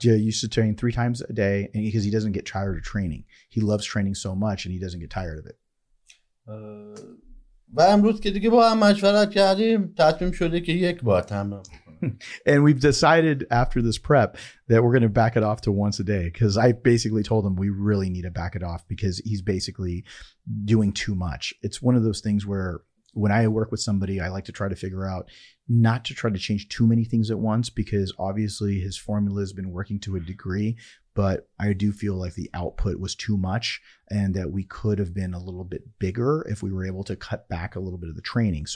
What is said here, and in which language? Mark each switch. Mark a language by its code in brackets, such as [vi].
[en] You used to train 3 times a day because he doesn't get tired of training. He loves training so much and he doesn't get tired of it. [fa] و امروز که دیگه با هم مشورت کردیم تصمیم شده که یک بار تمرین کنم. [en] And we've decided after this prep that we're going to back it off to once a day, because I basically told him we really need to back it off because he's basically doing too much. It's one of those things where when I work with somebody, I like to try to figure out not to try to change too many things at once, because obviously his formula has been working to a degree, but I do feel like the output was too much and that we could have been a little bit bigger if we were able to cut back a little bit of the training.